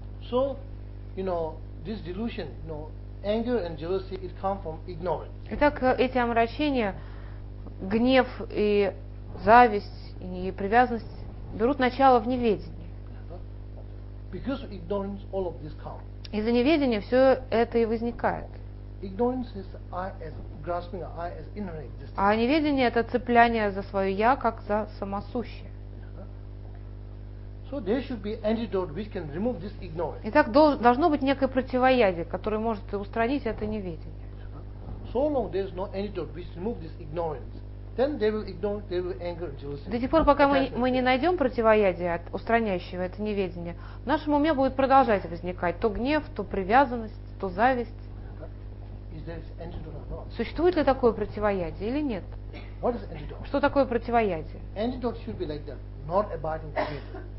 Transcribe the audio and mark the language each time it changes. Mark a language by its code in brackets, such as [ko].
[en] So, you know, this delusion, you know, anger and jealousy, it come from ignorance. [ru] Итак, эти омрачения, гнев и зависть и привязанность берут начало в неведении. [en] Because of ignorance, all of this come. [ru] Из-за неведения все это и возникает. [en] Ignorance is I as grasping, I as inner existence. [ru] А неведение это цепляние за свое я как за самосущее. [en] So there should be antidote which can remove this ignorance. [ru] Итак, должно быть некое противоядие, которое может устранить это неведение. [en] So long there is no antidote which remove this ignorance, then they will ignore, they will anger and jealousy. [ru] До тех пор, пока мы не найдем противоядие, устраняющего это неведение, в нашем уме будет продолжать возникать то гнев, то привязанность, то зависть. [en] Is there antidote or not? [ru] Существует ли такое противоядие или нет? [en] What is antidote? [ru] Что такое противоядие? [en] Antidote should be like that, not abiding together.